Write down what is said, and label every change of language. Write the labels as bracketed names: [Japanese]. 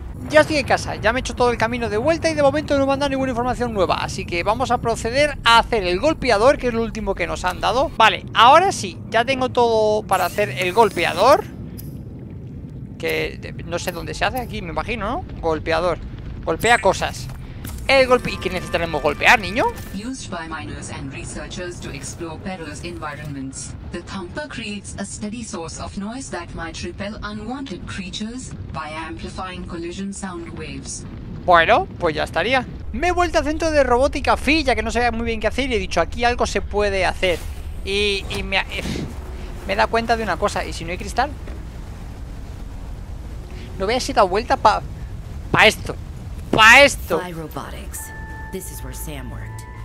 [Spanish] Ya estoy en casa, ya me he hecho todo el camino de vuelta y de momento no me han dado ninguna información nueva. Así que vamos a proceder a hacer el golpeador, que es lo último que nos han dado. Vale, ahora sí, ya tengo todo para hacer el golpeador. Que no sé dónde se hace aquí, me imagino, ¿no? Golpeador, golpea cosas. El golpe... ¿Y qué necesitaremos golpear, niño? [English] Used by miners and researchers to explore perilous environments. The thumper creates a steady source of noise that might repel unwanted creatures by amplifying collision sound waves. [Spanish] Bueno, pues ya estaría. Me he vuelto al centro de robótica Phi, ya que no sabía muy bien qué hacer, y he dicho, aquí algo se puede hacer. Y me he dado cuenta de una cosa, ¿y si no hay cristal? No voy a ir a vuelta pa esto. ¡Pa esto! [English] Robotics. This is where Sam worked.